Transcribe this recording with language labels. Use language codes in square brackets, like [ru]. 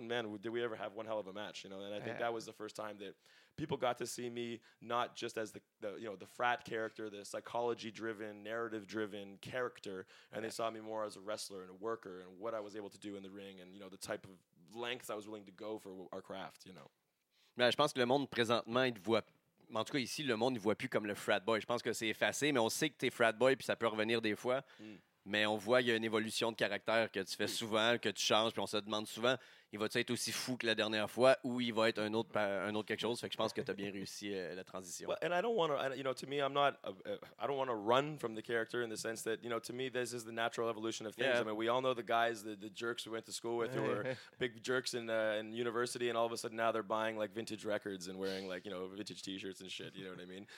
[en] And man, did we ever have one hell of a match, you know? And I think that was the first time that people got to see me not just as the frat character, the psychology-driven, narrative-driven character, and they saw me more as a wrestler and a worker and what I was able to do in the ring and, you know, the type of length I was willing to go for our craft, you know. [fr] Mais je pense que le monde présentement, il te voit, en tout cas ici, le monde ne voit plus comme le frat boy. Je pense que c'est effacé, mais on sait que tu es frat boy puis ça peut revenir des fois. Mais on voit qu'il y a une évolution de caractère que tu fais souvent, que tu changes, puis on se demande souvent, il va-tu être aussi fou que la dernière fois ou il va être un autre quelque chose? Fait que je pense que tu as bien réussi la transition. [en] Well, and I don't want to, you know, to me, I'm not, I don't want to run from the character in the sense that, you know, to me, this is the natural evolution of things. Yeah. I mean, we all know the guys, the jerks we went to school with who were big jerks in university, and all of a sudden now they're buying, like, vintage records and wearing, like, you know, vintage T-shirts and shit, you know what I mean?